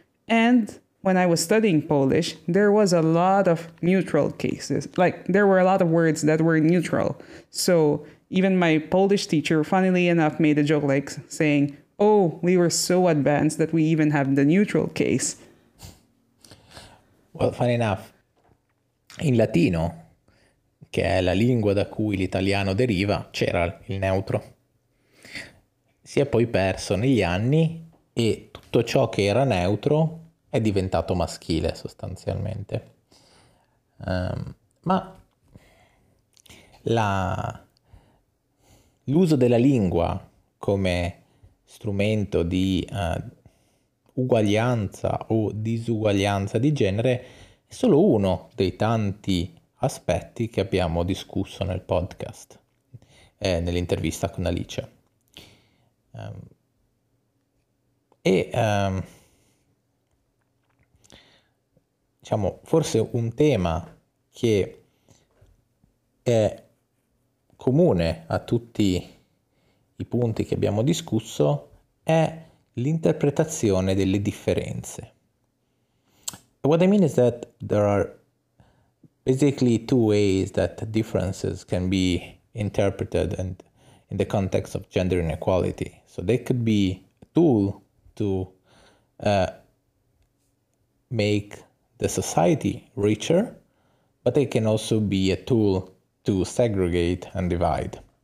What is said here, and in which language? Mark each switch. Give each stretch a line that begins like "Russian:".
English: And when I was studying Polish, there was a lot of neutral cases. Like, there were a lot of words that were neutral. So even my Polish teacher, funnily enough, made a joke like saying, oh, we were so advanced that we even have the neutral case. Well, funny enough, in
Italian: Latino, che è la lingua da cui l'italiano deriva, c'era il neutro. Si è poi perso negli anni e tutto ciò che era neutro è diventato maschile, sostanzialmente. Ma l'uso della lingua come strumento di uguaglianza o disuguaglianza di genere è solo uno dei tanti aspetti che abbiamo discusso nel podcast, nell'intervista con Alice. Diciamo, forse un tema che è comune a tutti i punti che abbiamo discusso è l'interpretazione delle differenze.
English: What I mean is that there are basically two ways that differences can be interpreted and in the context of gender inequality. So they could be a tool to make the society richer, but they can also be a tool to segregate and divide.